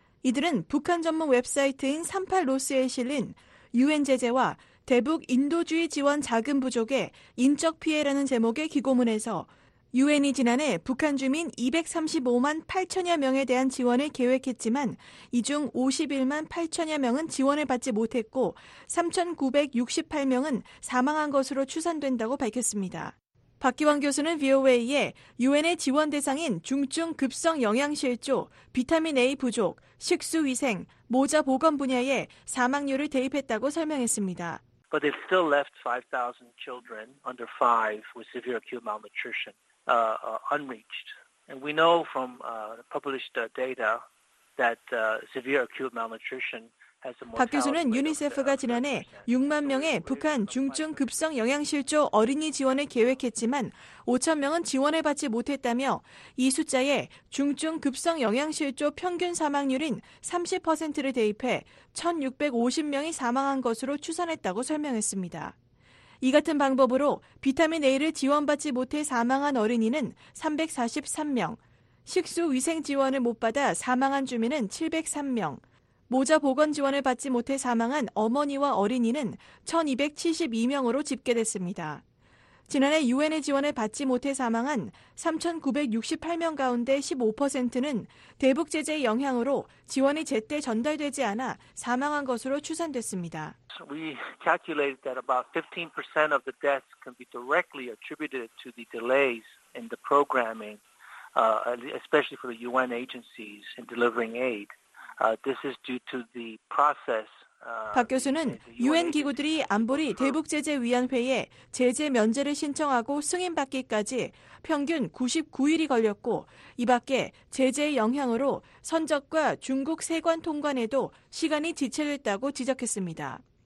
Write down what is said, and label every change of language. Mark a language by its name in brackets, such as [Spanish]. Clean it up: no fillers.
[Korean] 이들은 북한 전문 웹사이트인 38로스에 실린 UN 제재와 대북 인도주의 지원 자금 부족의 인적 피해라는 제목의 기고문에서 UN이 지난해 북한 주민 235만 8천여 명에 대한 지원을 계획했지만 이 중 51만 8천여 명은 지원을 받지 못했고 3,968명은 사망한 것으로 추산된다고 밝혔습니다. 박기원 교수는 VOA에 UN의 지원 대상인 중증 급성 영양실조, 비타민 A 부족, 식수위생, 모자 보건 분야에 사망률을 대입했다고 설명했습니다. [English] But they've still left 5,000 children under 5 with severe acute malnutrition. Unreached. And we know from published data that severe acute malnutrition has a more. [Korean] 박 교수는 유니세프가 지난해 6만 명의 북한 중증 급성 영양실조 어린이 지원을 계획했지만 5천 명은 지원을 받지 못했다며 이 숫자에 중증 급성 영양실조 평균 사망률인 30%를 대입해 1,650명이 사망한 것으로 추산했다고 설명했습니다. 이 같은 방법으로 비타민 A를 지원받지 못해 사망한 어린이는 343명, 식수위생 지원을 못 받아 사망한 주민은 703명, 모자 보건 지원을 받지 못해 사망한 어머니와 어린이는 1,272명으로 집계됐습니다. 지난해 UN의 지원을 받지 못해 사망한 3,968명 가운데 15%는 대북 제재의 영향으로 지원이 제때 전달되지 않아 사망한 것으로 추산됐습니다. [English] We calculated that about 15% of the deaths can be directly attributed to the delays in the programming, especially for the UN agencies in delivering aid. This is due to the process. [Korean] 박 교수는 UN 기구들이 안보리 대북 제재 위원회에 제재 면제를 신청하고 승인받기까지 평균 99일이 걸렸고 이 밖에 제재의 영향으로 선적과 중국 세관 통관에도 시간이 지체됐다고 지적했습니다.